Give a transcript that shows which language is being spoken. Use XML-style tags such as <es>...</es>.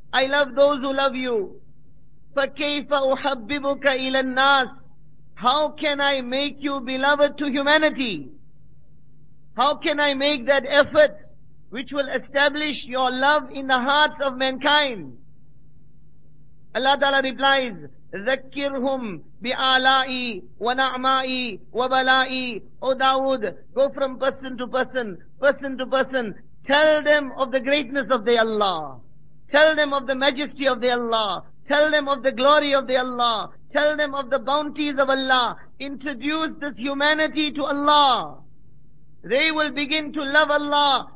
<en>I love those who love you.</en> <ar>فَكَيْفَ أُحَبِّبُكَ إِلَى النَّاسِ.</ar> <en>How can I make you beloved to humanity? How can I make that effort which will establish your love in the hearts of mankind? Allah Ta'ala replies,</en> <ar>ذَكِّرْهُمْ بِآلَائِ وَنَعْمَائِ وَبَلَائِ.</ar> <en>O Dawood, go from person to person, person to person. Tell them of the greatness of the Allah. Tell them of the majesty of the Allah. Tell them of the glory of the Allah. Tell them of the bounties of Allah. Introduce this humanity to Allah. They will begin to love Allah.</en>